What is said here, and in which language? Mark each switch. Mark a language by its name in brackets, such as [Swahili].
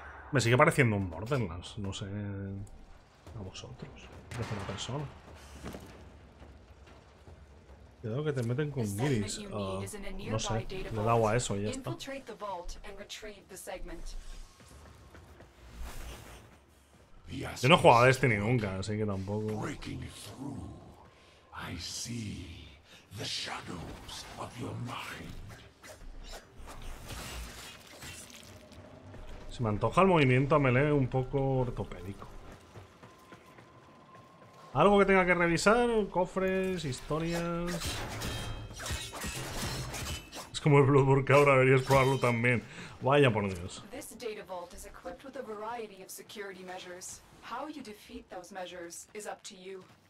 [Spanish] Me sigue pareciendo un Borderlands, no sé. A vosotros, de otra persona. Cuidado que te meten con Giris. No sé, le da agua a eso y ya está. Yo no he jugado a Destiny nunca, así que tampoco. [English] Breaking through, I see the shadows of your mind. [Spanish] Se me antoja el movimiento a melee un poco ortopédico. Algo que tenga que revisar, cofres, historias. Es como el Bloodborne, que ahora deberías probarlo también. Vaya por Dios. [English] This data vault is equipped with a variety of security measures. How you defeat those measures is up to you.